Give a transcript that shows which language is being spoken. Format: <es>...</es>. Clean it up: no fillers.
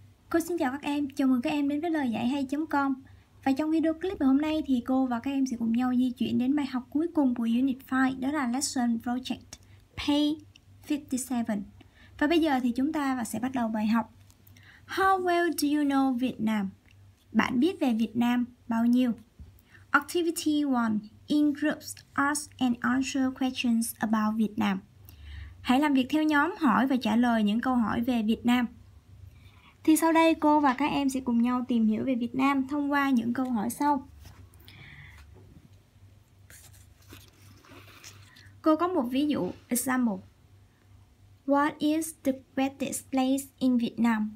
<vi>Cô xin chào các em, chào mừng các em đến với lời dạy hay.com. Và trong video clip ngày hôm nay thì cô và các em sẽ cùng nhau di chuyển đến bài học cuối cùng của Unit 5, đó là Lesson Project Page 57. Và bây giờ thì chúng ta sẽ bắt đầu bài học.</vi> <en>How well do you know Vietnam?</en> <vi>Bạn biết về Việt Nam bao nhiêu?</vi> <en>Activity 1. In groups, ask and answer questions about Vietnam.</en> <vi>Hãy làm việc theo nhóm, hỏi và trả lời những câu hỏi về Việt Nam. Thì sau đây cô và các em sẽ cùng nhau tìm hiểu về Việt Nam thông qua những câu hỏi sau. Cô có một ví dụ,</vi> <en>example. What is the wettest place in Vietnam?</en>